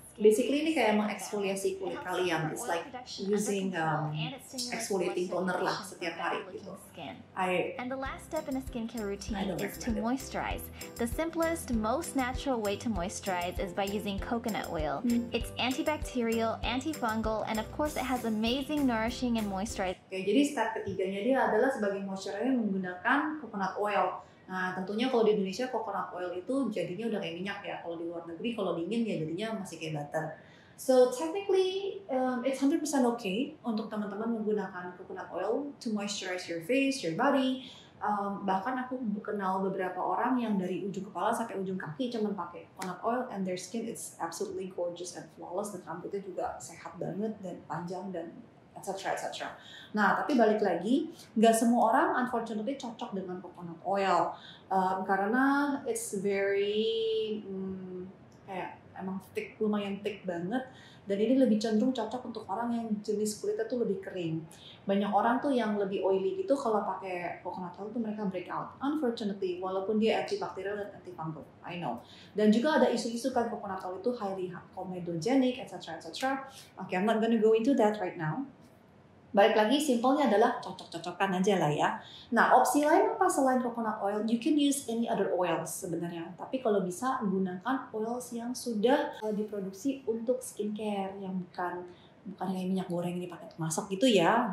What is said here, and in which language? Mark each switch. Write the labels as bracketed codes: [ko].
[id] basically ini kayak mengeksfoliasi kulit kalian. [en] It's like using exfoliating toner [id] lah setiap hari gitu. [en] And the last step in a skincare routine is to moisturize. The simplest, most natural way to moisturize is by using coconut oil. It's antibacterial, antifungal, and of course it has amazing nourishing and moisturizing. [id] Okay, jadi step ketiganya dia adalah sebagai moisturizer menggunakan coconut oil. Nah, tentunya kalau di Indonesia coconut oil itu jadinya udah kayak minyak ya. Kalau di luar negeri kalau dingin ya jadinya masih kayak butter. [en] So technically it's 100% okay [id] untuk teman-teman menggunakan coconut oil [en] to moisturize your face, your body. [id] Bahkan aku kenal beberapa orang yang dari ujung kepala sampai ujung kaki cuma pakai coconut oil [en] and their skin is absolutely gorgeous and flawless, [id] dan rambutnya juga sehat banget dan panjang dan etc. etc. Nah, tapi balik lagi, nggak semua orang unfortunately cocok dengan coconut oil karena it's very emang thick, lumayan thick banget, dan ini lebih cenderung cocok untuk orang yang jenis kulitnya tuh lebih kering. Banyak orang tuh yang lebih oily gitu kalau pakai coconut oil tuh mereka breakout, unfortunately, walaupun dia antibacterial dan antifungal, [en] I know. [id] Dan juga ada isu-isu kan coconut oil itu highly comedogenic, etc. etc. [en] Okay, I'm not gonna go into that right now. [id] Balik lagi, simpelnya adalah cocok-cocokkan aja lah ya. Nah, opsi lain apa selain coconut oil? [en] You can use any other oils [id] sebenarnya. Tapi kalau bisa, gunakan oils yang sudah diproduksi untuk skincare. Yang bukan kayak minyak goreng ini pakai masak gitu ya.